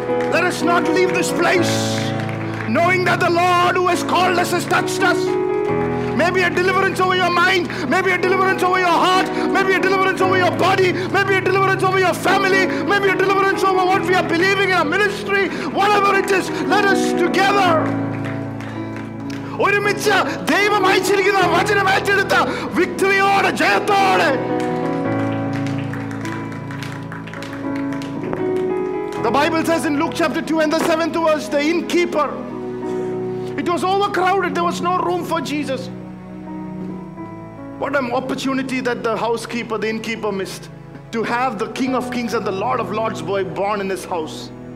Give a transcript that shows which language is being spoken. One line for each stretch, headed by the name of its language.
English: Let us not leave this place knowing that the Lord who has called us has touched us. Maybe a deliverance over your mind. Maybe a deliverance over your heart. Maybe a deliverance over your body. Maybe a deliverance over your family. Maybe a deliverance over what we are believing in our ministry. Whatever it is, let us together.
Malayalam: ഒരുമിച്ച് ദൈവം അയച്ചിരിക്കുന്ന വചനം ഏറ്റെടുത്ത് വിക്ടറിയോടെ ജയത്തോടെ.
English: The Bible says in Luke chapter 2 and the 7th verse, the innkeeper. It was overcrowded. There was no room for Jesus. What an opportunity that the housekeeper, the innkeeper missed to have the King of Kings and the Lord of Lords boy born in his house.